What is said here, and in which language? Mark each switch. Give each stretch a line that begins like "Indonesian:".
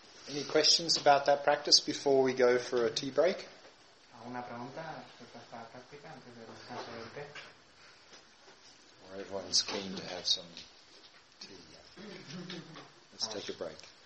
English: Any questions about that practice before we go for a tea break?
Spanish: ¿Alguna pregunta sobre esta práctica antes de descansar el té?
English: Or everyone's keen to have some tea. Let's take a break.